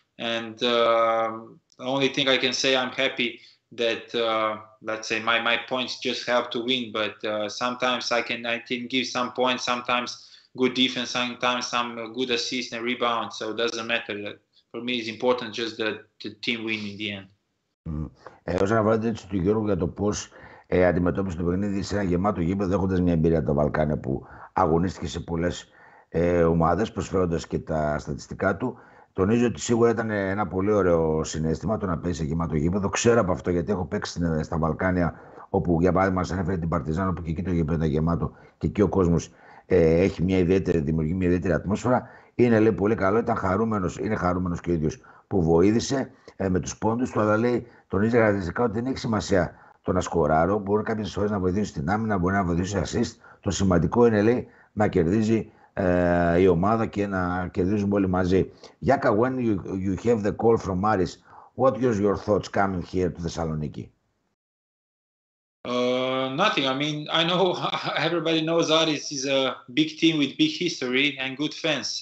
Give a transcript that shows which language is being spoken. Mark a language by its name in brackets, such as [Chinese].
[English] And the only thing I can say, I'm happy that, let's say, my points just help to win. But sometimes I can give some points, sometimes good defense, sometimes some good assist and rebound. So it doesn't matter. For me, it's important just that the team win in the end. [Greek] Όσον αφορά την ερώτηση του Γιώργου για το πώς αντιμετώπισε το παιχνίδι σε ένα γεμάτο γήπεδο, έχοντας μια εμπειρία από τα Βαλκάνια που αγωνίστηκε σε πολλές ομάδες, προσφέροντας και τα στατιστικά του. Τονίζω ότι σίγουρα ήταν ένα πολύ ωραίο συνέστημα το να παίξει σε γεμάτο γήπεδο. Ξέρω από αυτό γιατί έχω παίξει στα Βαλκάνια, όπου για παράδειγμα σε ανέφερε την Παρτιζάν, όπου και εκεί το γήπεδο ήταν γεμάτο και εκεί ο κόσμος έχει μια ιδιαίτερη, δημιουργεί μια ιδιαίτερη ατμόσφαιρα. Είναι λέει πολύ καλό, ήταν χαρούμενος, είναι χαρούμενος και ο ίδιος που βοήθησε με τους πόντους του. Αλλά λέει, τονίζει χαρακτηριστικά ότι δεν έχει σημασία το να σκοράρω. Μπορεί κάποιες φορές να βοηθήσει στην άμυνα, μπορεί να βοηθήσει ασίστ. Το σημαντικό είναι λέει να κερδίζει η ομάδα και να κερδίζουμε όλοι μαζί. [English] Γιάκα, when you have the call from Maris, what was your thoughts coming here to Thessaloniki? Nothing. I mean, I know everybody knows Aris is a big team with big history and good fans.